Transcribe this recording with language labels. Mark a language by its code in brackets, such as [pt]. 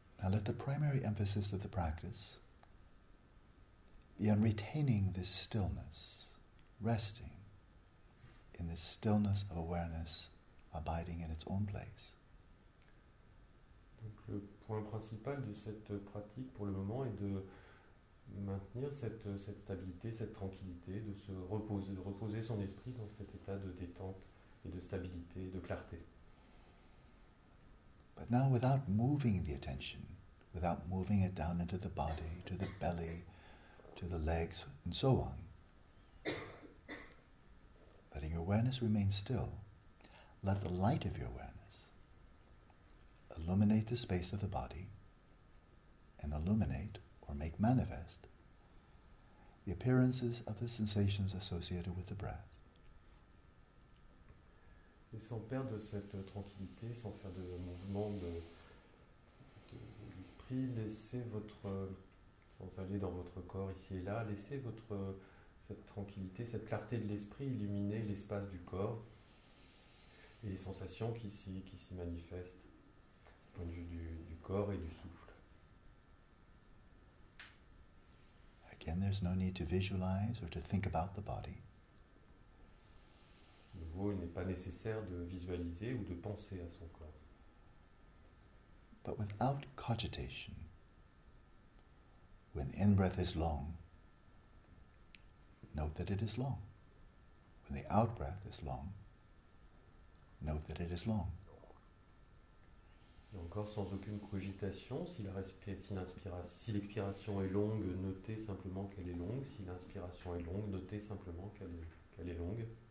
[en] let the primary emphasis of the practice be on retaining this stillness, resting in this stillness of awareness, abiding in its own place. [fr] Donc, le point principal de cette pratique pour le moment est de maintenir cette stabilité, cette tranquillité, de reposer son esprit dans cet état de détente et de stabilité, de clarté. [en] But now without moving the attention, without moving it down into the body, to the belly, to the legs, and so on, letting your awareness remain still, let the light of your awareness illuminate the space of the body and illuminate or make manifest the appearances of the sensations associated with the breath. [fr] Et sans perdre cette tranquillité, sans faire de mouvement de l'esprit, laissez votre, sans aller dans votre corps ici et là, laissez votre cette tranquillité, cette clarté de l'esprit illuminer l'espace du corps et les sensations qui s'y manifestent du point de vue du corps et du souffle. [en] Again, there's no need to visualize or to think about the body. [fr] Il n'est pas nécessaire de visualiser ou de penser à son corps. [en] But without cogitation, when the in-breath is long, note that it is long. When the out-breath is long, note that it is long. [fr] Et encore sans aucune cogitation, si l'expiration est longue, notez simplement qu'elle est longue. Si l'inspiration est longue, notez simplement qu'elle est longue.